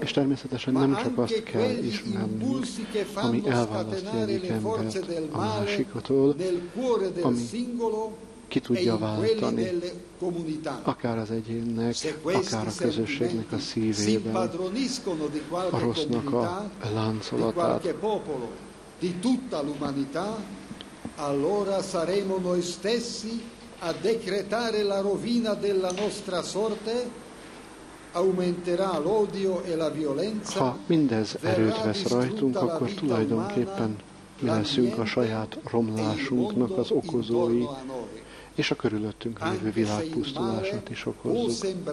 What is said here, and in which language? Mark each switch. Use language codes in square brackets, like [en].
[hu] és természetesen nem csak azt kell ismernünk, ami elválasztja egyik embert a másikatól, ami ki tudja váltani, akár az egyénnek, akár a közösségnek a szívében a rossznak a láncolatát. [it] Di tutta l'umanità, allora saremo noi stessi a decretare la rovina della nostra sorte, aumenterà l'odio e la violenza. [hu] Ha mindez erőt vesz rajtunk, akkor tulajdonképpen mi leszünk a saját romlásunknak az okozói, és a körülöttünk lévő világ pusztulását is okozzuk.